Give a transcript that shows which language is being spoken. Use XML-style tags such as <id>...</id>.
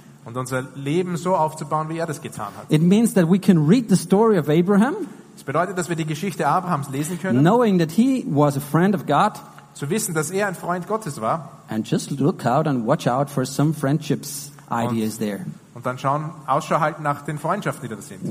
<de>Und unser Leben so aufzubauen, wie er das getan hat.</de> <en>It means that we can read the story of Abraham.</en> <de>Das bedeutet, dass wir die Geschichte Abrahams lesen können.</de> <en>Knowing that he was a friend of God.</en> <de>Zu wissen, dass er ein Freund Gottes war.</de> <en>And just look out and watch out for some friendships ideas there.</en> <de>Und dann schauen, Ausschau halten nach den Freundschaften, die da sind.</de>